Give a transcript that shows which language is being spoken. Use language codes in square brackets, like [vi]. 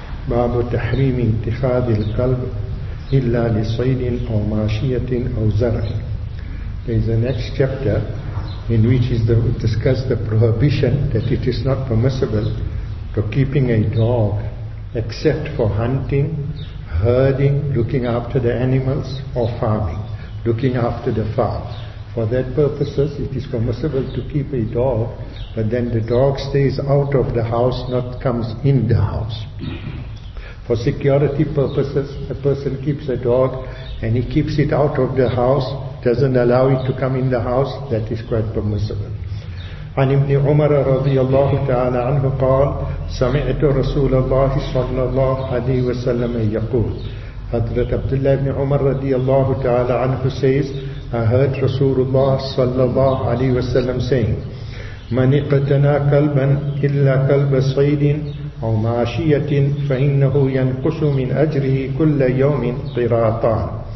[ar] باب تحريم اتخاذ الكلب إلا لصيد أو ماشية أو زرع. [en] There is a next chapter in which is discuss the prohibition that it is not permissible to keeping a dog except for hunting, herding, looking after the animals, or farming, looking after the farm. For that purposes, it is permissible to keep a dog, but then the dog stays out of the house, not comes in the house. For security purposes, a person keeps a dog and he keeps it out of the house, doesn't allow it to come in the house, that is quite permissible. [ar] عن ابن عمر رضي الله تعالى عنه قال سمعت رسول الله صلى الله عليه وسلم يقول. حضرت عبد الله بن عمر رضي الله تعالى عنه [en] says [ar] I heard رسول الله صلى الله عليه وسلم [en] saying [ar] من اقتنى كلبا إلا كلب صيد أو ماشية فإنه ينقص من أجره كل يوم قراطان.